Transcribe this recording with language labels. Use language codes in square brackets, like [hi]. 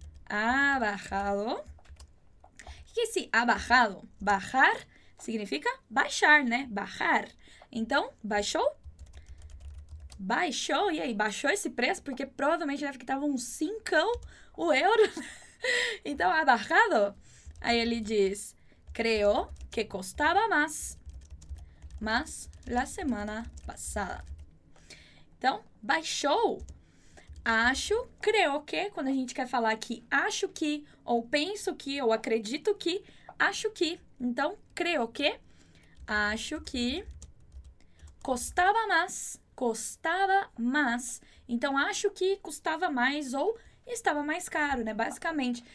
[es] Ha bajado? [pt] E esse [es] ha bajado? [pt] Bajar significa baixar, né? Bajar. Então, baixou? Baixou, e aí, baixou esse preço? Porque provavelmente deve que tava um cincão o euro. Então, [es] ha bajado. [pt] Aí ele diz, [es] creo que costaba más la semana pasada. [pt] Então, baixou. Acho, [es] creo que, [pt] quando a gente quer falar que acho que, ou penso que, ou acredito que, acho que. Então, [es] creo que, [pt] acho que [es] costaba más. [pt] Costava mais. Então, acho que custava mais ou estava mais caro, né? Basicamente.